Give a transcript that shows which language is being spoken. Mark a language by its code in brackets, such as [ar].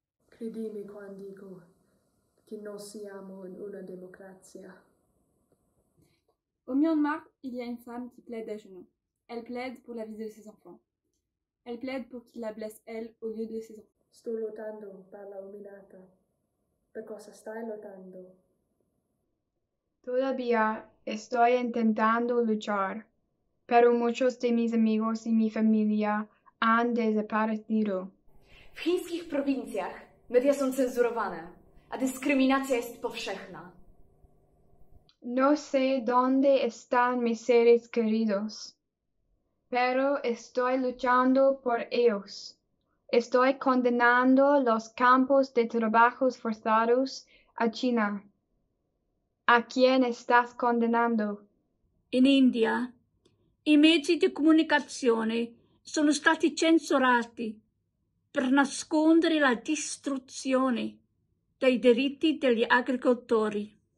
[it] Credimi quando dico che non siamo in una democrazia. [fr] Au Myanmar, il y a une femme qui plaide à genoux. Elle plaide pour la vie de ses enfants. Elle plaide pour qu'il la blesse elle au lieu de ses enfants. [it] Sto lottando per la umilata. Per cosa stai lottando? [es] Todavía estoy intentando luchar, pero muchos de mis amigos y mi familia han desaparecido. [pl] W chińskich prowincjach media są cenzurowane, a dyskryminacja jest powszechna. [es] No sé dónde están mis seres queridos, pero estoy luchando por ellos. Estoy condenando los campos de trabajos forzados a China. ¿A quién estás condenando? [it] In India, i mezzi di comunicazione sono stati censurati per nascondere la distruzione dei diritti degli agricoltori.